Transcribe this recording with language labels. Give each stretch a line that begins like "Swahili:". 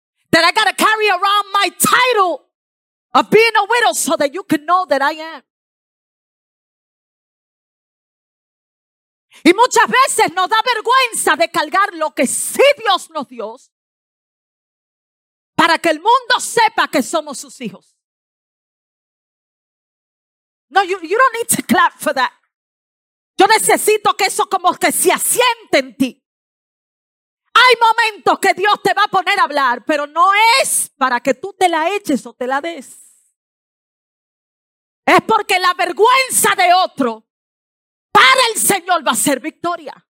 English: That I gotta carry around my title of being a widow so that you can know that I am.
Spanish: Y muchas veces nos da vergüenza de cargar lo que sí Dios nos dio para que el mundo sepa que somos sus hijos.
English: No, you don't need to clap for that.
Spanish: Yo necesito que eso como que se asiente en ti. Hay momentos que Dios te va a poner a hablar, pero no es para que tú te la eches o te la des. Es porque la vergüenza de otro para el Señor va a ser victoria.